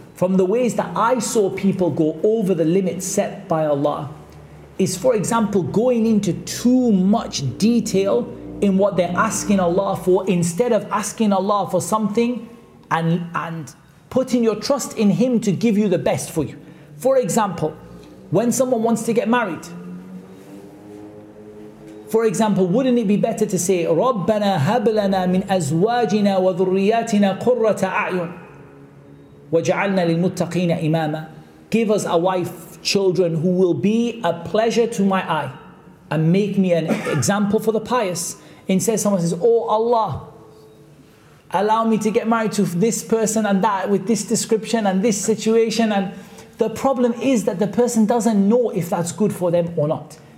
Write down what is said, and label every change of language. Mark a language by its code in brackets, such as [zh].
[en] From the ways that I saw people go over the limits set by Allah is, for example, going into too much detail in what they're asking Allah for, instead of asking Allah for something and putting your trust in Him to give you the best for you. For example, when someone wants to get married, For example, wouldn't it be better to say, [ar] رَبَّنَا هَبْلَنَا مِنْ أَزْوَاجِنَا وَذُرِّيَاتِنَا قُرَّةَ أَعْيُنَ وَجَعَلْنَا لِلْمُتَّقِينَ إِمَامًا. [en] Give us a wife, children, who will be a pleasure to my eye and make me an example for the pious. Instead, someone says, oh Allah, allow me to get married to this person and that with this description and this situation. And the problem is that the person doesn't know if that's good for them or not.